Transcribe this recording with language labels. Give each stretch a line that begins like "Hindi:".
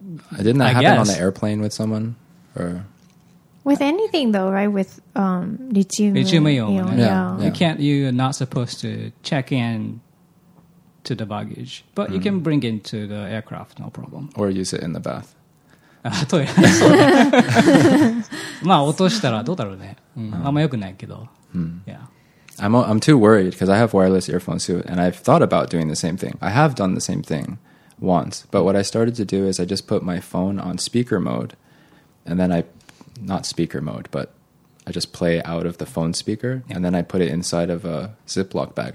English: Didn't that happen on the airplane with someone? Or with anything though, right? With lithium ion. Yeah. You're not supposed to check in to the baggage, but you can bring it to the aircraft, no problem. Or use it in the bath.
Japanese: まあ落としたらどうだろうね、あんま良くないけど、yeah.
English: I'm too worried because I have wireless earphones too, and I've thought about doing the same thing. I have done the same thing once, but what I started to do is I just put my phone on speaker mode, and then I not speaker mode, but I just play out of the phone speaker, and then I put it inside of a Ziploc bag.